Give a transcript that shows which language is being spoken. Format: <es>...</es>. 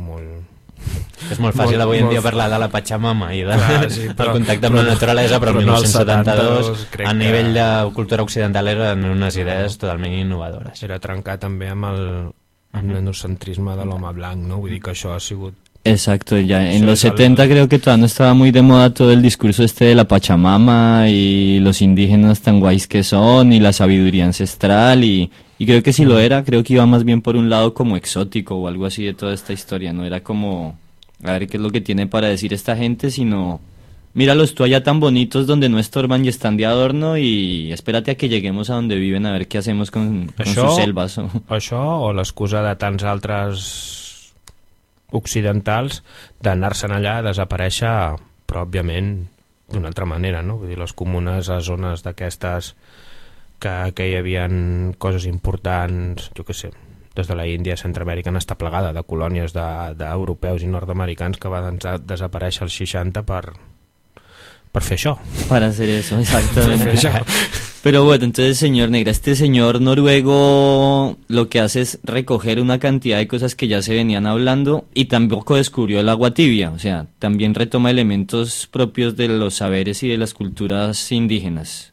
<ca>Molt... És molt fàcil avui en dia parlar de la Pachamama i del de, sí, contacte amb la naturalesa, però en 1972 no, a nivell de cultura occidental eren unes idees totalment innovadores. Era trencar també amb el endocentrisme de l'home blanc, no? Vull dir que això ha sigut...</ca> <es>Exacto, ya en los 70 creo que todavía no estaba muy de moda todo el discurso este de la Pachamama y los indígenas tan guays que son y la sabiduría ancestral y creo que si lo era, creo que iba más bien por un lado como exótico o algo así de toda esta historia, no era como a ver qué es lo que tiene para decir esta gente, sino míralos tú allá tan bonitos donde no estorban y están de adorno y espérate a que lleguemos a donde viven a ver qué hacemos con sus selvas.</es> <ca>Això o l'excusa de tants altres occidentals d'anar-se'n allà a desaparèixer, però òbviament d'una altra manera, no? Vull dir, les comunes a zones d'aquestes que hi havien coses importants, jo què sé, des de la Índia, Centroamèrica, n'està plegada de colònies d'europeus i nord-americans que van desaparèixer als 60 per fer això. Per</ca> <es>hacer eso,</es> <ca>exactament. Per fer això.</ca> <es>Pero bueno, entonces, señor Negra, este señor noruego lo que hace es recoger una cantidad de cosas que ya se venían hablando y tampoco descubrió el agua tibia, o sea, también retoma elementos propios de los saberes y de las culturas indígenas.</es>